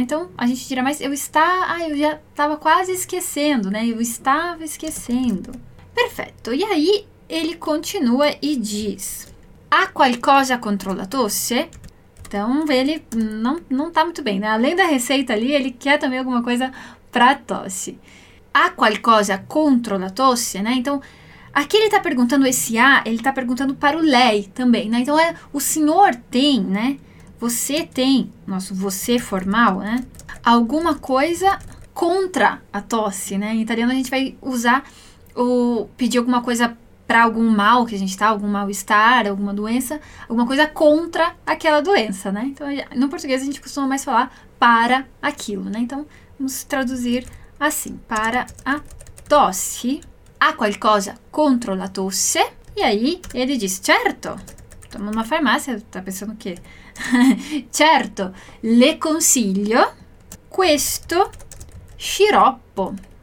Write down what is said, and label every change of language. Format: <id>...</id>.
<pt>Então, a gente diria mais, eu já estava quase esquecendo, né? Eu estava esquecendo. Perfeito. E aí, ele continua e diz,</pt> <it>há qualcosa contro la tosse?</it> <pt>Então, ele não está muito bem, né? Além da receita ali, ele quer também alguma coisa para tosse.</pt> <it>Há qualcosa contro la tosse, né?</it> <pt>Então, aqui ele está perguntando esse há, ele está perguntando para o lei também, né? Então, o senhor tem, né? Você tem, nosso você formal, né? Alguma coisa contra a tosse, né? Em italiano a gente vai usar ou pedir alguma coisa para algum mal que a gente tá, algum mal-estar, alguma doença, alguma coisa contra aquela doença, né? Então, no português a gente costuma mais falar para aquilo, né? Então, vamos traduzir assim, para a tosse.</pt> <it>Há qualcosa contro la tosse?</it> <pt>E aí ele diz, certo, estamos numa farmácia, tá pensando o quê?</pt> <it>Certo, le consiglio questo sciroppo.</it>